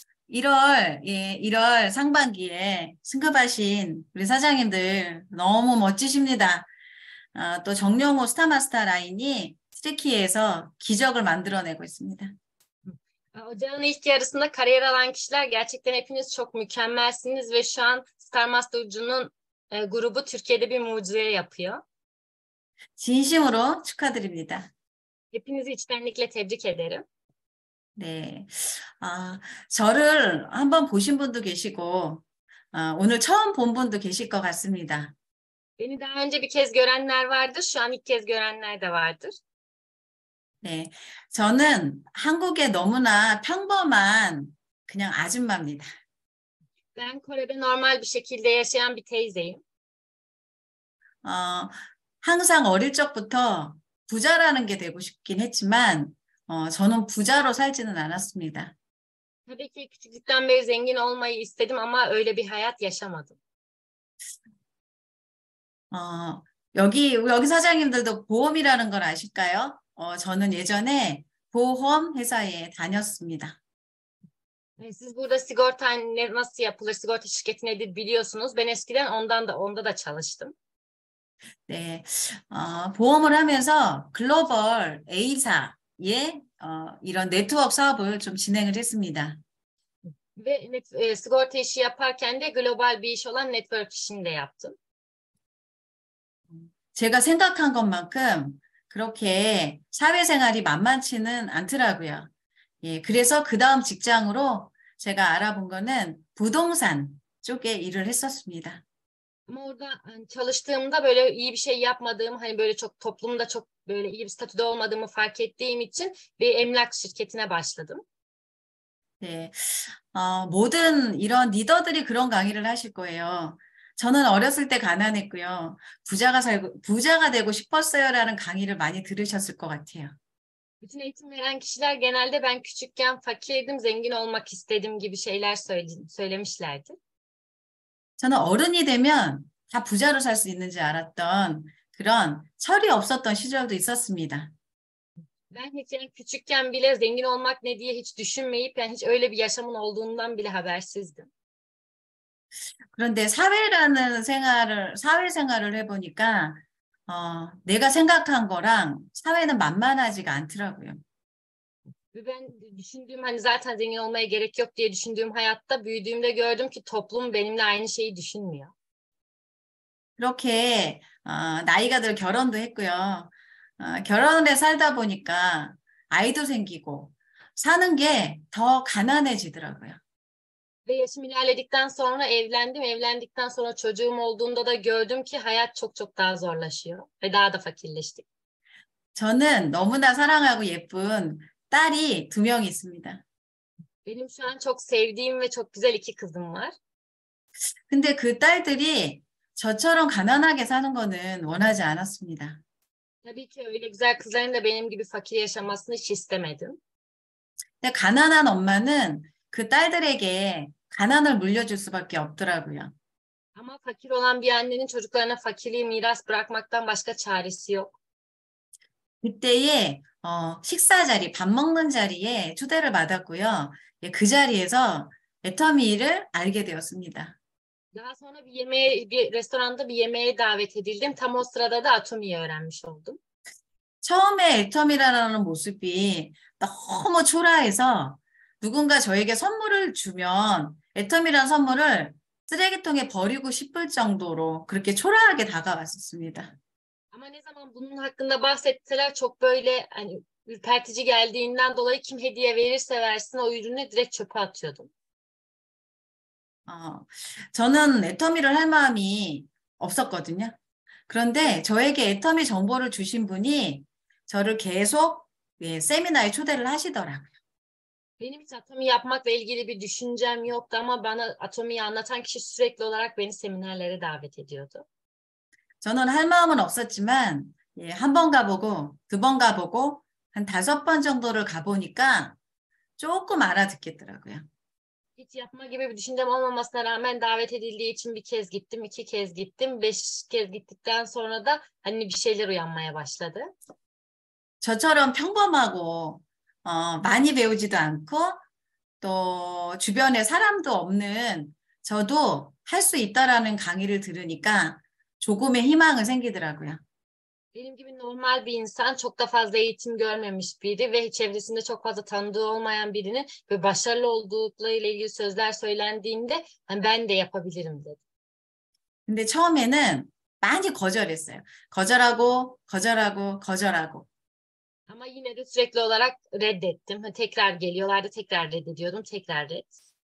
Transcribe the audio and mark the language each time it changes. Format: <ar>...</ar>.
<ko>1월 상반기에 승급하신 우리 사장님들 너무 멋지십니다. 또 정영호 스타 마스터 라인이 트리키에서 기적을 만들어내고 있습니다. 어제는</ko> <tr>ilk yarısında kariyer alan kişiler gerçekten hepiniz çok mükemmelsiniz ve şu an Star Master Ucu'nun grubu Türkiye'de bir mucize yapıyor.</tr> <ko>진심으로 축하드립니다.</ko> <tr>Hepinizi içtenlikle tebrik ederim.</tr> <ko>네. 저를 한번 보신 분도 계시고, 오늘 처음 본 분도 계실 것 같습니다.</ko> <tr>Beni daha önce bir kez görenler vardır, şu an ilk kez görenler de vardır.</tr> <ko>네. 저는 한국에 너무나 평범한 그냥 아줌마입니다.</ko> <tr>Ben Kore'de normal bir şekilde yaşayan bir teyzeyim.</tr> <ko>항상 어릴 적부터 부자라는 게 되고 싶긴 했지만, 저는 부자로 살지는 않았습니다.</ko> <tr>Tabii ki küçüklükten beri zengin olmayı istedim ama öyle bir hayat yaşamadım.</tr> <ko>여기 사장님들도 보험이라는 걸 아실까요? 저는 예전에 보험 회사에 다녔습니다.</ko> <tr>Siz burada sigorta nasıl yapılır, sigorta şirketi nedir biliyorsunuz. Ben eskiden onda da çalıştım.</tr> <ko>네, 보험을 하면서 글로벌 A사의 이런 네트워크 사업을 좀 진행을 했습니다.</ko> <tr>Ve sigorta işi yaparken de global bir iş olan network işini de yaptım.</tr> <ko>제가 생각한 것만큼 그렇게 사회생활이 만만치는 않더라고요. 예, 그래서 그 다음 직장으로 제가 알아본 거는 부동산 쪽에 일을 했었습니다.</ko> <tr>Ama orada hani çalıştığımda böyle iyi bir şey yapmadığım, hani böyle çok toplumda çok böyle iyi bir statüde olmadığımı fark ettiğim için bir emlak şirketine başladım.</tr> <ko>네. 모든 이런 리더들이 그런 강의를 하실 거예요. 저는 어렸을 때 가난했고요. 부자가 되고 싶었어요라는 강의를 많이 들으셨을 것 같아요.</ko> <tr>�ütün eğitim veren kişiler genelde ben küçükken fakirdim, zengin olmak istedim gibi şeyler söylemişlerdi.</tr> <ko>저는 어른이 되면 다 부자로 살수 있는지 알았던 그런 철이 없었던 시절도 있었습니다.</ko> <tr>Ben hiç yani küçükken bile zengin olmak ne diye hiç düşünmeyip yani hiç öyle bir yaşamın olduğundan bile habersizdim.</tr> <ko>그런데 사회생활을 해보니까, 내가 생각한 거랑 사회는 만만하지가 않더라고요.</ko> <tr>Ve ben düşündüğüm hani zaten zengin olmaya gerek yok diye düşündüğüm hayatta büyüdüğümde gördüm ki toplum benimle aynı şeyi düşünmüyor.</tr> <ko>그렇게, 나이가 들어 결혼도 했고요. 결혼을 해 살다 보니까 아이도 생기고, 사는 게더 가난해지더라고요.</ko> <tr>ve yaşım ilerledikten sonra evlendim. Evlendikten sonra çocuğum olduğunda da gördüm ki hayat çok çok daha zorlaşıyor ve daha da fakirleştik.</tr> <ko>저는 너무나 사랑하고 예쁜 딸이 두명 있습니다.</ko> <tr>Benim şu an çok sevdiğim ve çok güzel iki kızım var.</tr> <ko>근데 그 딸들이 저처럼 가난하게 사는 거는 원하지 않았습니다.</ko> <tr>Tabii ki öyle güzel kızların da benim gibi fakir yaşamasını hiç istemedim.</tr> <ko>근데 가난한 엄마는 그 딸들에게 가난을 물려줄 수밖에 없더라고요. 아마</ko> <tr>fakir olan bir annenin çocuklarına fakirliği miras bırakmaktan başka çaresi yok.</tr> <ko>그때에 식사 자리, 밥 먹는 자리에 초대를 받았고요. 예, 그 자리에서 애터미를 알게 되었습니다.</ko> <tr>Daha sonra bir restoranda bir yemeğe davet edildim. Tam o sırada da Atomi'yi öğrenmiş oldum.</tr> <ko>처음에 애터미라는 모습이 너무 초라해서 누군가 저에게 선물을 주면 애터미란 선물을 쓰레기통에 버리고 싶을 정도로 그렇게 초라하게 다가왔었습니다. 아마</ko> <tr>ne zaman bunun hakkında bahsettiler çok böyle hani ürpertici geldiğinden dolayı kim hediye verirse versin o ürünü direkt çöpe atıyordum.</tr> <ko>저는 애터미를 할 마음이 없었거든요. 그런데 저에게 애터미 정보를 주신 분이 저를 계속 세미나에 초대를 하시더라고요.</ko> <tr>Benim hiç atomi yapmakla ilgili bir düşüncem yoktu ama bana atomiyi anlatan kişi sürekli olarak beni seminerlere davet ediyordu.</tr> <ko>저는 할 마음은 없었지만 한번 가보고 두번 가보고 한 다섯 번 정도를 가보니까 조금 알아듣겠더라고요.</ko> <tr>Hiç yapma gibi bir düşüncem olmamasına rağmen davet edildiği için bir kez gittim, iki kez gittim, beş kez gittikten sonra da hani bir şeyler uyanmaya başladı.</tr> <ko>저처럼 평범하고 많이 배우지도 않고 또 주변에 사람도 없는 저도 할수 있다라는 강의를 들으니까 조금의 희망은 생기더라고요.</ko> <tr>Benim gibi normal bir insan, çok da fazla eğitim görmemiş biri ve çevresinde çok fazla tanıdığı olmayan birinin ve başarılı olduğuyla ilgili sözler söylendiğinde hani ben de yapabilirim dedim.</tr> <ko>근데 처음에는 많이 거절했어요. 거절하고 거절하고 거절하고.</ko> <tr>Ama yine de sürekli olarak reddettim. Tekrar geliyorlardı, tekrar reddediyordum, tekrar reddettim.</tr>